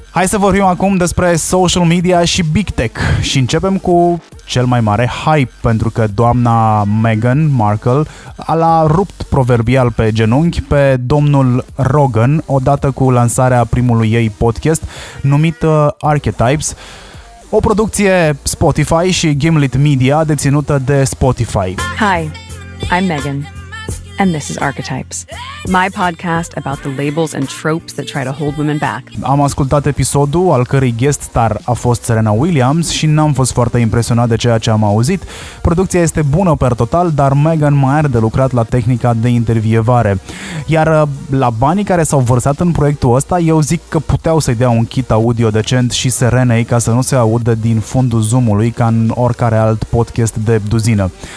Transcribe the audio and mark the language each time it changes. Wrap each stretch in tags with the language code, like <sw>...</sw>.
<ro>Hai să vorbim acum despre social media și big tech și începem cu cel mai mare hype, pentru că doamna Meghan Markle a rupt proverbial pe genunchi pe domnul Rogan odată cu lansarea primului ei podcast numit Archetypes, o producție Spotify și Gimlet Media deținută de Spotify.</ro> <en>Hi, I'm Meghan. And this is Archetypes, my podcast about the labels and tropes that try to hold women back.</en> <ro>Am ascultat episodul al cărei guest star a fost Serena Williams și n-am fost foarte impresionat de ceea ce am auzit. Producția este bună per total, dar Meghan mai are de lucrat la tehnica de intervievare. Iar la banii care s-au vărsat în proiectul ăsta, eu zic că puteau să-i dea un kit audio decent și Serenei ca să nu se audă din fundul Zoom-ului ca în oricare alt podcast de duzină.</ro>